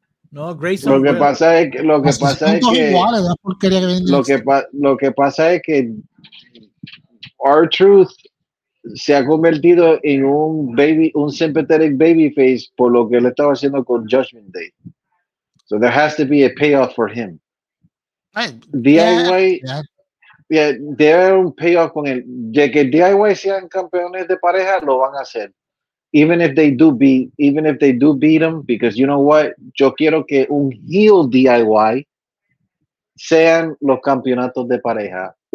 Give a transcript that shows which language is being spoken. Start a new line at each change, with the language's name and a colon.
Spanish: No, Grayson. Lo que pasa es que... lo que pasa es que R-Truth se ha convertido en un baby, un sympathetic babyface por lo que le estaba haciendo con Judgment Day.
English: So there has to be a payoff for him.
Spanish: Un payoff con él. De que DIY sean campeones de pareja, lo van a hacer.
English: Even if they do beat him, because you know what?
Spanish: Yo quiero que un heel DIY sean los campeonatos de pareja.